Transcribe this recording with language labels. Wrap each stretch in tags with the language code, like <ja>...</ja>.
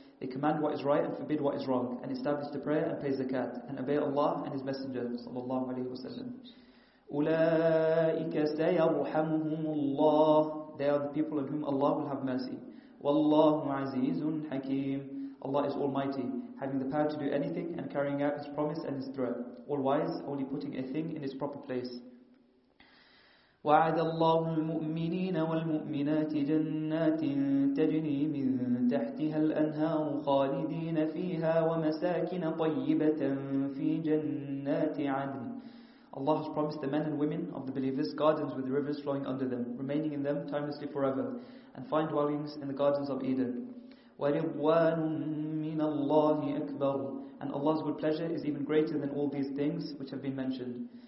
<en>They command what is right and forbid what is wrong, and establish the prayer and pay zakat, and obey Allah and His Messenger</en> <ar>صلى الله عليه وسلم. أُولَٰئِكَ سَيَرْحَمُهُمُ اللَّهُ.</ar> <en>They are the people on whom Allah will have mercy.</en> <ar>وَاللَّهُ عَزِيزٌ حَكِيمٌ.</ar> <en>Allah is Almighty, having the power to do anything and carrying out His promise and His threat. All wise, only putting a thing in its proper place.</en> <ar>وعد الله المؤمنين والمؤمنات جنات تجني من تحتها الأنهار خالدين فيها ومساكن طيبة في جنات عدن.</ar> <en>Allah has promised the men and women of the believers gardens with rivers flowing under them, remaining in them timelessly forever, and fine dwellings in the gardens of Eden.</en> <ar>ورضوان من الله أكبر.</ar> <en>And Allah's good pleasure is even greater than all these things which have been mentioned.</en>